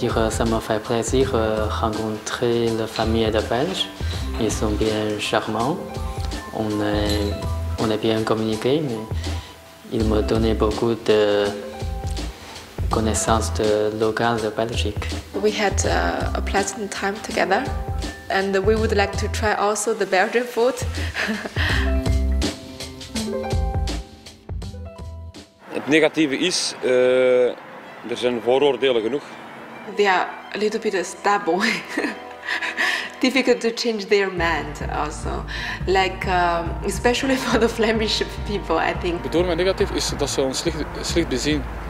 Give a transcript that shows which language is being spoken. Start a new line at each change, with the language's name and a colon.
French: Ça me fait plaisir de rencontrer la famille de Belges. Ils sont bien charmants. On est bien communiqué, mais ils m'ont donné beaucoup de connaissances de locales de Belgique.
English: We had a pleasant time together and we would like to try also the Belgian food.
Dutch: Het negatieve is, er zijn vooroordelen genoeg.
English: They are a little bit stubborn, difficult to change their mind also. Like, especially for the Flemish people, I think.
Dutch: Bedoel mijn negatief is dat ze ons slecht bezien.